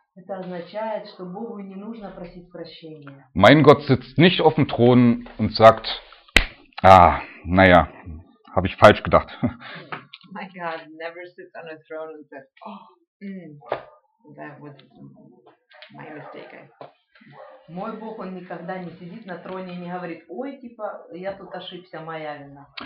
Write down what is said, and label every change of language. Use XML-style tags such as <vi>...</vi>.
<ru>Это означает, что Богу не нужно просить прощения.</ru> <de>Mein Gott sitzt nicht auf dem Thron und sagt: "Ah, naja, habe ich falsch gedacht."</de> <en>My God never sits on a throne and says, that was my mistake.</en> <ru>Мой Бог, он никогда не сидит на троне и не говорит: "Ой, типа, я тут ошибся, моя вина."</ru>